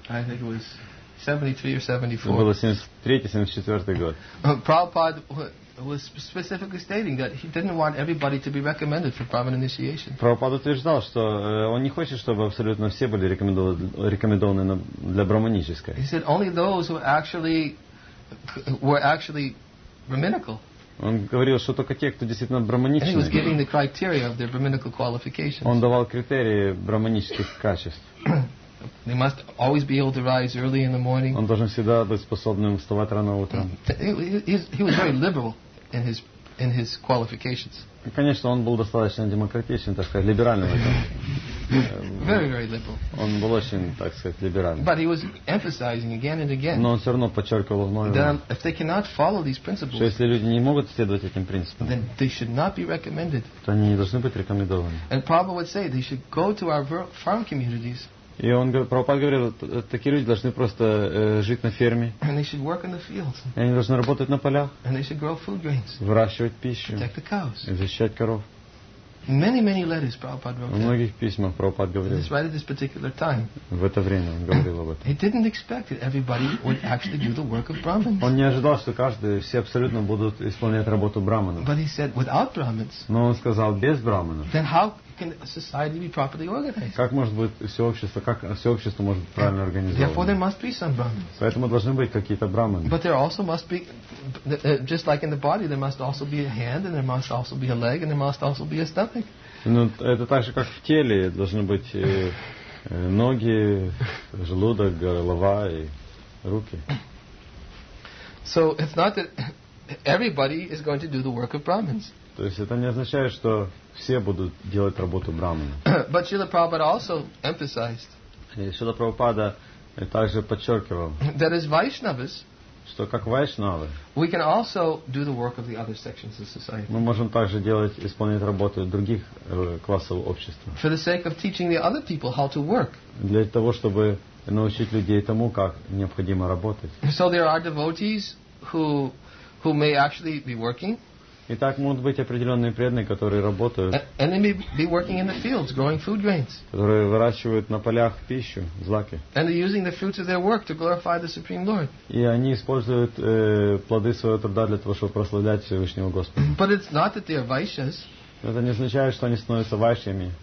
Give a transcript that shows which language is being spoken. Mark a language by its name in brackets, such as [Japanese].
[English] I think it was 73 or 74. [Russian] Было 73-74 год. [English] Prabhupada was specifically stating that he didn't want everybody to be recommended for Brahman initiation. [Russian] Прабхупада утверждал, что он не хочет, чтобы абсолютно все были рекомендованы для брахманической. [English] He said only those who were actually brahminical. [Russian] Он говорил, что только те, кто действительно брахманичный. [English] He was giving the criteria of their brahminical qualifications. [Russian] Он давал критерии брахманических качеств. [English] They must always be able to rise early in the morning. [Russian] Он должен всегда быть способным вставать рано утром. [English] He was very liberal in his qualifications. [Russian] Конечно, он был достаточно демократичен, так сказать, либеральным. [English] Very, very liberal. [Russian] Он был очень, так сказать, либеральным. [English] But he was emphasizing again and again. [Russian] Но он все равно подчеркивал вновь. [English] That if they cannot follow these principles. [Russian] Что если люди не могут следовать этим принципам. [English] Then they should not be recommended. [Russian] То они не должны быть рекомендованы. [English] And Prabhupada would say they should go to our farm communities. [Russian] И он Прабхупад говорил, такие люди должны просто жить на ферме. [English] And they should work in the fields. [Russian] И они должны работать на полях. [English] And they should grow food grains. [Russian] Выращивать пищу. [English] Protect the cows. [Russian] И защищать коров. [English] Many, many letters Prabhupada wrote. [Russian] В многих письмах Прабхупад говорил. [English] This right at this particular time. [Russian] В это время он говорил об этом. [English] He didn't expect that everybody would actually do the work of Brahmins. [Russian] Он не ожидал, что каждый, все абсолютно будут исполнять работу брахманов. [English] But he said, without Brahmins. [Russian] Но он сказал, без брахманов. [English] Then how can society be properly organized? [Russian] Как может быть все общество может быть правильно организовано? [English] Therefore, there must be some Brahmins. [Russian] Поэтому должны быть какие-то брахманы. [English] But there also must be, just like in the body, there must also be a hand, and there must also be a leg, and there must also be a stomach. [Russian] Ну, это так же, как в теле, должны быть ноги, желудок, голова и руки. [English] So it's not that everybody is going to do the work of Brahmins. [Russian] То есть это не означает, что все будут делать работу брахмана. [English] But Srila Prabhupada also emphasized. [Russian] И Srila Prabhupada также подчеркивал. [English] That as Vaishnavas. [Russian] Что как вайшнавы. [English] We can also do the work of the other sections of society. [Russian] Мы можем также исполнять работу других классов общества. [English] For the sake of teaching the other people how to work. [Russian] Для того, чтобы научить людей тому, как необходимо работать. [English] So there are devotees who may actually be working. [Russian] И так могут быть определенные преданные, которые работают. [English] And they may be working in the fields, growing food grains. [Russian] Которые выращивают на полях пищу, злаки. [English] And they're using the fruits of their work to glorify the Supreme Lord. [Russian] И они используют плоды своего труда для того, чтобы прославлять Всевышнего Господа. [English] But it's not that they are vaishyas. [Russian] Это не означает, что они становятся вайшьями.